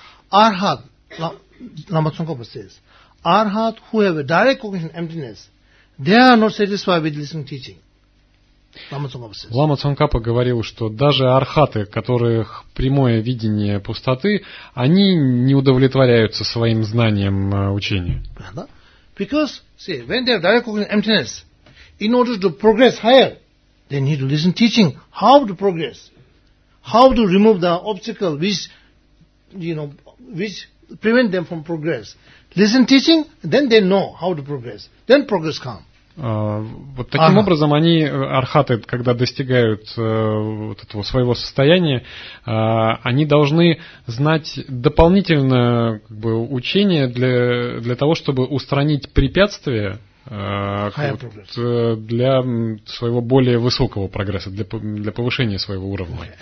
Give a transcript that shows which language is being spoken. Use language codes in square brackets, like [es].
[en] Архат, Лама Цонгопа says, Архат, who have a direct cognition emptiness, they are not satisfied with listening teaching. [ru] Лама Цонгапа говорил, что даже архаты, которых прямое видение пустоты, они не удовлетворяются своим знанием учения. [en] Because, see, when they have direct cognition emptiness, in order to progress higher, they need to listen teaching how to progress, how to remove the obstacle which prevent them from progress. Listen teaching, then they know how to progress. Then progress comes. [ru] Вот таким образом они, архаты, когда достигают вот этого своего состояния, они должны знать дополнительное как бы, учение для того, чтобы устранить препятствия для своего более высокого прогресса, для повышения своего уровня.